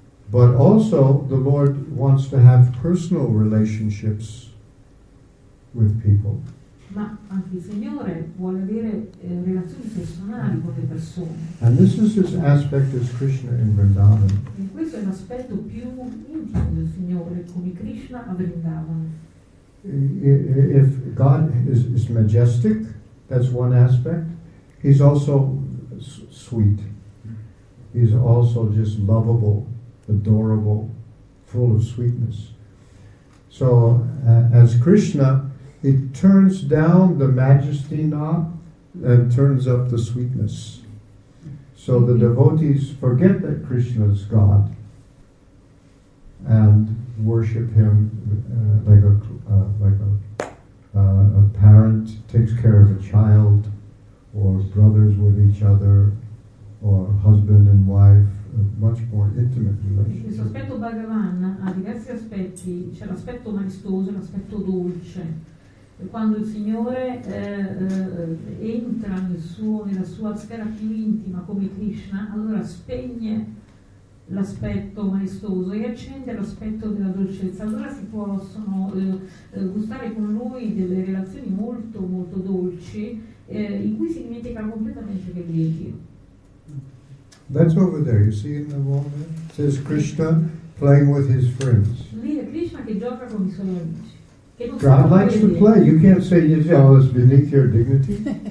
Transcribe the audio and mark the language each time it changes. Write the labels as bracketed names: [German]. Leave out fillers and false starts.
[English] But also the Lord wants to have personal relationships with people. [Italian] Ma anche il Signore vuole avere relazioni personali con le persone. [English] And this is his aspect as Krishna in Vrindavan. [Italian] E questo è l'aspetto più intimo del Signore come Krishna a Vrindavan. [English] If God is majestic, that's one aspect. He's also sweet. He's also just lovable, adorable, full of sweetness. So as Krishna, he turns down the majesty knob and turns up the sweetness. So the devotees forget that Krishna is God and worship him like a parent takes care of a child, or brothers with each other, or husband and wife. Much more intimate relationship. [Italian] Questo aspetto Bhagavan ha diversi aspetti. C'è l'aspetto maestoso, l'aspetto dolce. quando il Signore entra nel suo, nella sua sfera più intima come Krishna, allora spegne l'aspetto maestoso e accende l'aspetto della dolcezza. Allora si possono gustare con lui delle relazioni molto molto dolci in cui si dimentica completamente che lui è Dio. [English] That's over there, you see in the wall there? It says Krishna playing with his friends. [Italian] Lì è Krishna che gioca con i suoi amici. [English] God likes to play. You can't say he's always beneath your dignity.